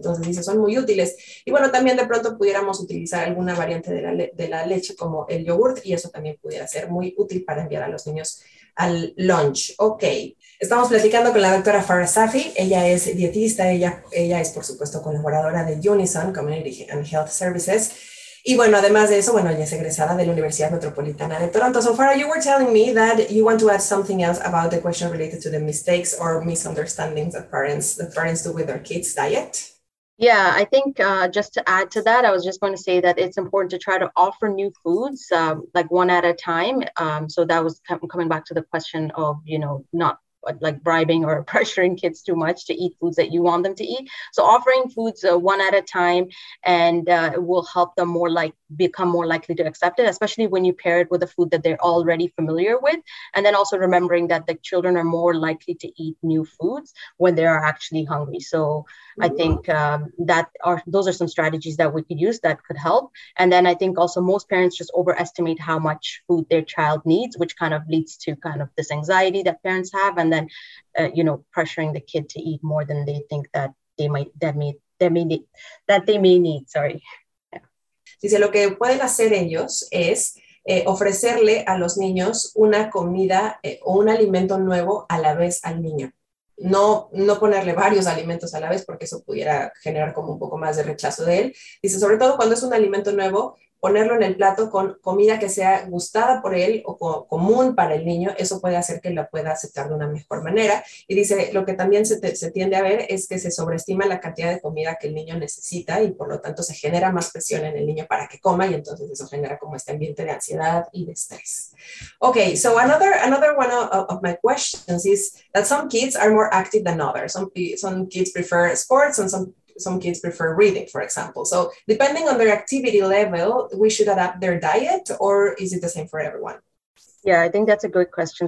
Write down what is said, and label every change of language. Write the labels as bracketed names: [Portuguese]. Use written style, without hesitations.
[Spanish] Entonces, dice, son muy útiles. Y bueno, también de pronto pudiéramos utilizar alguna variante de la leche como el yogurt, y eso también pudiera ser muy útil para enviar a los niños al lunch. Ok, estamos platicando con la doctora Farah Safi. Ella es dietista, ella es, por supuesto, colaboradora de Unison Community and Health Services. Y bueno, además de eso, bueno, ella es egresada de la Universidad Metropolitana de Toronto. [English] So Farah, you were telling me that you want to add something else about the question related to the mistakes or misunderstandings that parents do with their kids' diet. Yeah, I think just to add to that, I was just going to say that it's important to try to offer new foods like one at a time. So that was coming back to the question of, you know, not like bribing or pressuring kids too much to eat foods that you want them to eat. So offering foods one at a time and will help them more like become more likely to accept it, especially when you pair it with a food that they're already familiar with. And then also remembering that the children are more likely to eat new foods when they are actually hungry. So mm-hmm. I think those are some strategies that we could use that could help. And then I think also most parents just overestimate how much food their child needs, which kind of leads to kind of this anxiety that parents have. And then, you know, pressuring the kid to eat more than they think that they might that they may need, sorry. [Spanish] Dice, lo que pueden hacer ellos es ofrecerle a los niños una comida o un alimento nuevo a la vez al niño. No ponerle varios alimentos a la vez porque eso pudiera generar como un poco más de rechazo de él. Dice, sobre todo cuando es un alimento nuevo, ponerlo en el plato con comida que sea gustada por él o común para el niño, eso puede hacer que la pueda aceptar de una mejor manera. Y dice, lo que también se tiende a ver es que se sobreestima la cantidad de comida que el niño necesita y por lo tanto se genera más presión en el niño para que coma y entonces eso genera como este ambiente de ansiedad y de estrés. [English] Okay, so another one of my questions is that some kids are more active than others. Some kids prefer sports and some kids prefer reading, for example. So depending on their activity level, we should adapt their diet, or is it the same for everyone? Yeah, I think that's a good question.